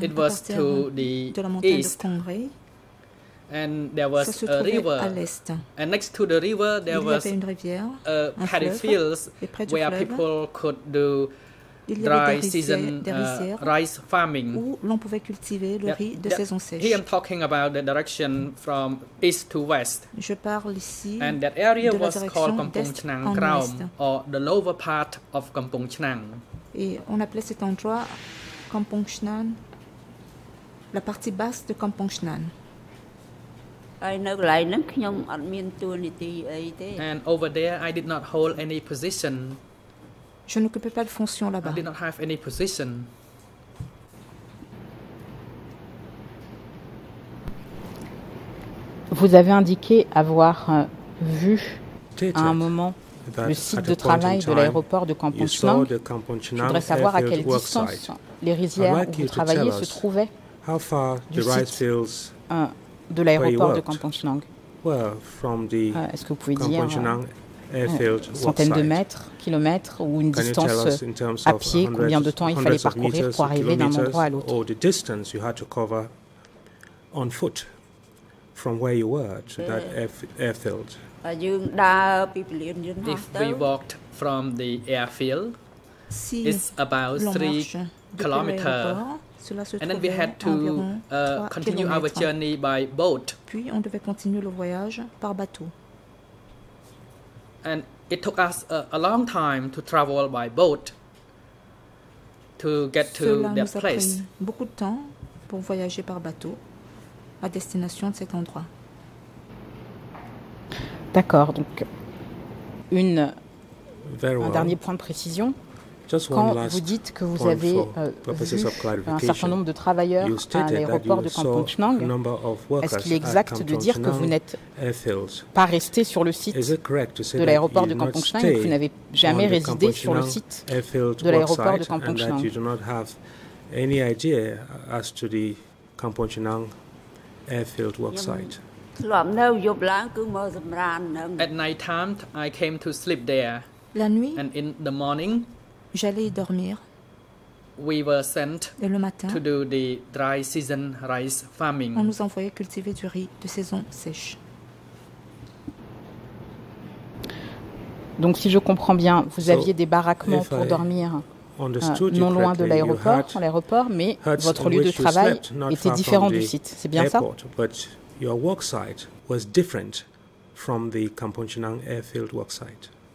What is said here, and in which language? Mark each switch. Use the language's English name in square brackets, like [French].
[English] it was to the east, and there was a river. And next to the river, there was a paddy fields where people could do dry season rice farming. [French] Où l'on pouvait cultiver le riz de saison sèche. [English] Here I'm talking about the direction from east to west. [French] Je parle ici [English] and that area was called Kampong Chenang Ground, or the lower part of Kampong Chenang. [French] Et on appelait cet endroit Kampong Chenang, la partie basse de Kampong Chenang. [English] And over there, I did not hold any position. [French] Je n'occupais pas de fonction là-bas. [English] I did not have any position. [French] Vous avez indiqué avoir vu à un moment le site de travail de l'aéroport de Kampong Chenang. [English] The Kampong Chenang. [French] Je voudrais savoir à quelle distance les rizières où vous travaillez se trouvaient [English] how far [French] du site de l'aéroport de Kampong Chenang. [English] Well, from the [French] est-ce que vous pouvez dire [English] Kampong [French] centaines de mètres, kilomètres, ou une distance à pied, combien de temps il fallait parcourir pour arriver d'un endroit à l'autre? [English] Or the distance you had to cover on foot from where you were to that airfield. If we walked from the airfield, it's about 3 kilometers. And then we had to continue our journey by boat. [French] Puis on devait continuer le voyage par bateau. [English] And it took us a long time to travel by boat to get to that place. [French] Cela nous a pris beaucoup de temps pour voyager par bateau à destination de cet endroit. D'accord. Donc, un dernier point de précision. Quand vous dites que vous avez vu un certain nombre de travailleurs à l'aéroport de Kampong Chenang, est-ce qu'il est exact de dire que vous n'êtes pas resté sur le site de l'aéroport de Kampong Chenang et que vous n'avez jamais résidé sur le site de l'aéroport de Kampong Chenang? [English] And that you do not have any idea as to the Kampong Chenang airfield worksite. At night time, I came to sleep there. [French] La nuit. [English] And in the morning, [French] j'allais y dormir. [English] We were sent [French] et le matin, [English] to do the dry season rice farming. [French] On nous envoyait cultiver du riz de saison sèche. Donc, si je comprends bien, vous aviez des baraquements pour dormir non loin de l'aéroport, mais votre lieu de travail était différent du site. C'est bien ça ? [English] But your work site was different from the Kampong Chenang airfield work site.